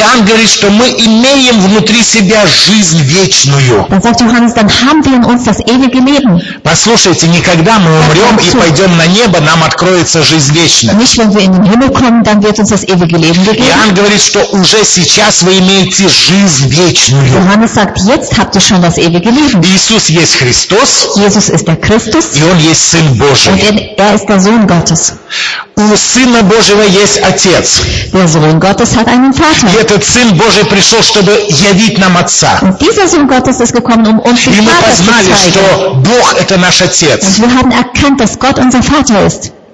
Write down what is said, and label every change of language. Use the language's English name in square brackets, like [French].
[Russian] Иоанн говорит, что мы имеем внутри себя жизнь вечную. [German] Dann sagt Johannes, dann haben wir in uns das ewige Leben. [Russian] Послушайте, не когда мы умрем и пойдем на небо, нам откроется жизнь вечная. [German] Nicht, wenn wir in den Himmel kommen, dann wird uns das ewige Leben gegeben. [Russian] Иоанн говорит, что уже сейчас вы имеете жизнь вечную. [German] Johannes sagt, jetzt habt ihr schon das ewige Leben. [Russian] Иисус есть Христос. [German] Jesus ist der Christus. [Russian] И Он есть Сын Божий. [German] Und er ist der Sohn Gottes. [Russian] У Сына Божьего есть Отец. [German] Der Sohn Gottes hat einen Vater. [Russian] И этот Сын Божий пришел, чтобы явить нам Отца. [German] Und dieser Sohn Gottes ist gekommen, um uns den [Russian] И [German] Vater [Russian] мы познали, [German] zu zeigen. [Russian] Что Бог это наш Отец. [German] Und wir haben erkannt, dass Gott unser Vater ist.